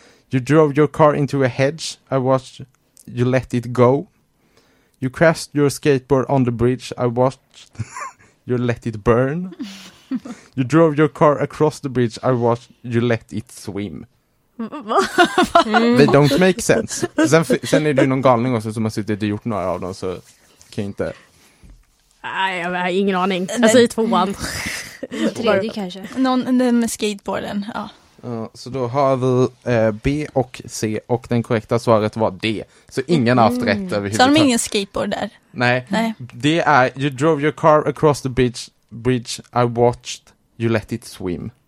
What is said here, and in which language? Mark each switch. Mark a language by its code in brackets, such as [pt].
[en] "You drove your car into a hedge, I watched you let it go." "You crashed your skateboard on the bridge, I watched you let it burn." "You drove your car across the bridge, I watched you let it swim." They don't make sense. [sv] Sen är det ju någon galning också som har suttit och gjort några av dem, så kan inte... Nej, jag har ingen aning. Jag säger tvåan. Tredje kanske. Någon med skateboarden, ja. Så då har vi B och C, och den korrekta svaret var D. Så ingen har haft rätt överhuvudtaget. Så har de ingen skateboard där? Nej. Nej. Det är: [en] "You drove your car across the bridge, I watched you let it swim."